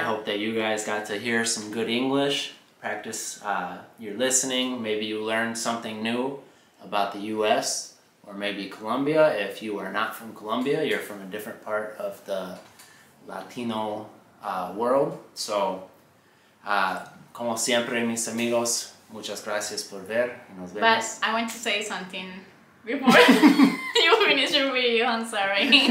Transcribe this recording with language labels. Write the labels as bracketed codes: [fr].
[en] I hope that you guys got to hear some good English, practice your listening. Maybe you learned something new about the U.S. or maybe Colombia. If you are not from Colombia, you're from a different part of the Latino world. [es] So, como siempre, mis amigos, muchas gracias por ver. Nos vemos. [en] But I want to say something before you finish your video, I'm sorry.